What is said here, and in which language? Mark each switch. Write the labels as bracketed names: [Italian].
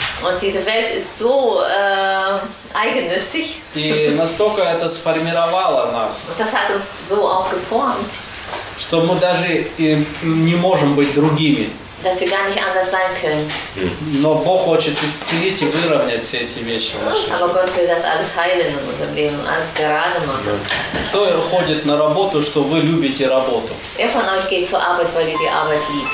[German] Und diese Welt ist so eigennützig. [Russian] И настолько это сформировало нас. [German] Und das hat uns so auch geformt. [Russian] Что мы даже не можем быть другими. [German] Dass wir gar nicht anders sein können. [Russian] Но Бог хочет исцелить и выровнять все эти вещи. [German] Aber Gott will das alles heilen in unserem Leben, alles gerade machen. [Russian] Кто ходит на работу, что вы любите работу? [German] Wer von euch geht zur Arbeit, weil ihr die Arbeit liebt?